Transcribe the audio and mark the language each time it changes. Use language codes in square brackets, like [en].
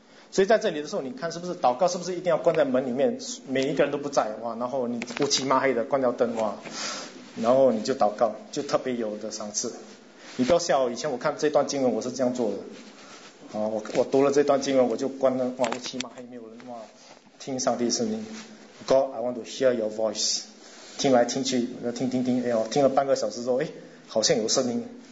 [zh] 所以在这里的时候，你看是不是祷告是不是一定要关在门里面，每一个人都不在，哇，然后你乌漆抹黑的关掉灯，哇，然后你就祷告，就特别有的赏赐。你不要笑，以前我看这段经文我是这样做的。我读了这段经文，我就关了，哇，我起码还没有人哇听上帝的声音。 [en] God, I want to hear your voice。 [zh] 听来听去，听，哎呦，听了半个小时之后，哎，好像有声音。